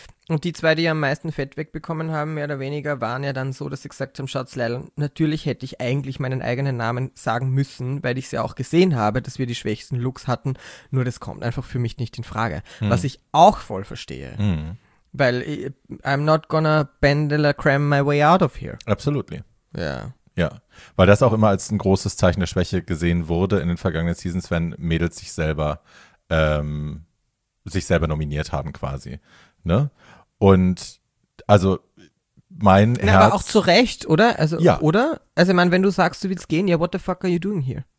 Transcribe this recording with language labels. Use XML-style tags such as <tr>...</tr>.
<de>Und die 2, die am meisten Fett wegbekommen haben, mehr oder weniger, waren ja dann so, dass sie gesagt haben, schaut's, Leila, natürlich hätte ich eigentlich meinen eigenen Namen sagen müssen, weil ich es ja auch gesehen habe, dass wir die schwächsten Looks hatten. Nur das kommt einfach für mich nicht in Frage. Hm. Was ich auch voll verstehe. Hm. Weil</de> <en>I'm not gonna bend or cram my way out of here. Absolutely.</en> <de>Ja. Ja, weil das auch immer als ein großes Zeichen der Schwäche gesehen wurde in den vergangenen Seasons, wenn Mädels sich selber nominiert haben quasi, ne? Und also mein Herz. Aber auch zu Recht, oder? Also, ja. Oder? Also ich meine, wenn du sagst, du willst gehen, ja,</de> <en>what the fuck are you doing here?</en>